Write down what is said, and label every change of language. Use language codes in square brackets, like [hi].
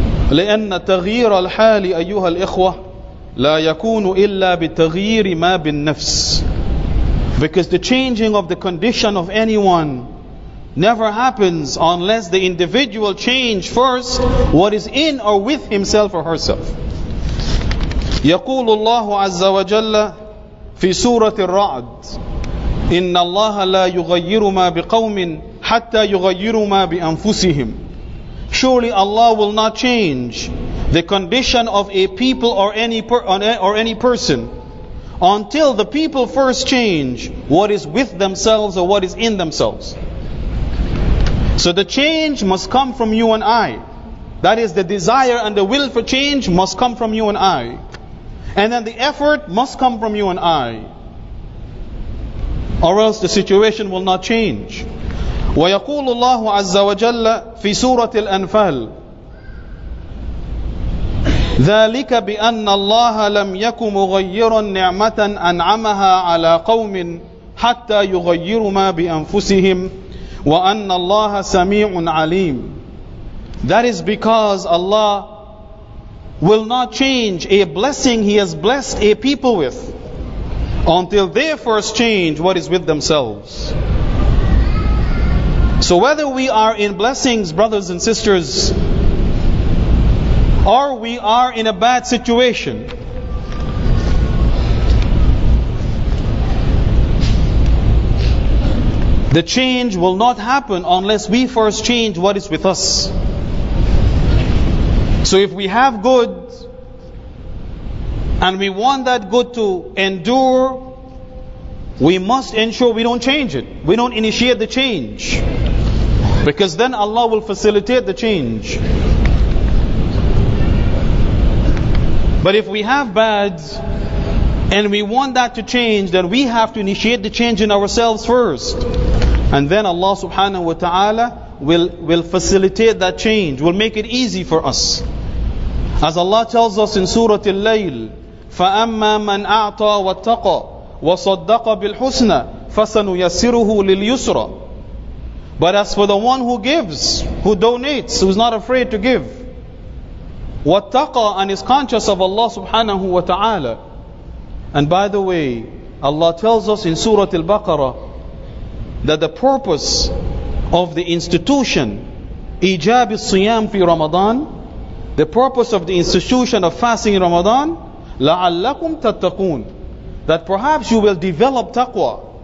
[ar] لِأَنَّ تَغْيِيرَ الْحَالِ أَيُّهَا الْإِخْوَةِ لَا يَكُونُ إِلَّا بِتَغْيِيرِ مَا بِالنَّفْسِ. [en] Because the changing of the condition of anyone never happens unless the individual change first what is in or with himself or herself. [ar] يقول الله عز وجل في سورة الرعد: إن الله لا يغير ما بقوم حتى يغير ما بأنفسهم. [en] Surely Allah will not change the condition of a people or any person until the people first change what is with themselves or what is in themselves. So the change must come from you and I. That is, the desire and the will for change must come from you and I. And then the effort must come from you and I. Or else the situation will not change. [ar] وَيَقُولُ اللَّهُ عَزَّ وَجَلَّ فِي سُورَةِ الْأَنْفَالِ: ذلك بأن الله لم يكن مغيرا نعمة أنعمها على قوم حتى يغيروا ما بأنفسهم وأن الله سميع عليم. [en] That is because Allah will not change a blessing He has blessed a people with until they first change what is with themselves. So whether we are in blessings, brothers and sisters, or we are in a bad situation, the change will not happen unless we first change what is with us. So if we have good and we want that good to endure, we must ensure we don't change it. We don't initiate the change, because then Allah will facilitate the change. But if we have bad and we want that to change, then we have to initiate the change in ourselves first. And then Allah subhanahu wa ta'ala will facilitate that change, will make it easy for us. As Allah tells us in Surah Al-Layl, [ar] فَأَمَّا مَنْ أَعْطَى وَاتَّقَى وَصَدَّقَ بِالْحُسْنَى فَسَنُيَسِّرُهُ لِلْيُسْرَى. [en] But as for the one who gives, who donates, who is not afraid to give, [ar] وَاتَّقَى, [en] and is conscious of Allah subhanahu wa ta'ala. And by the way, Allah tells us in Surah Al-Baqarah that the purpose of the institution, [ar] إِجَابِ الصِّيَامِ فِي رَمَضَانِ, [en] the purpose of the institution of fasting in Ramadan, [ar] لَعَلَّكُمْ تَتَّقُونَ, [en] that perhaps you will develop taqwa.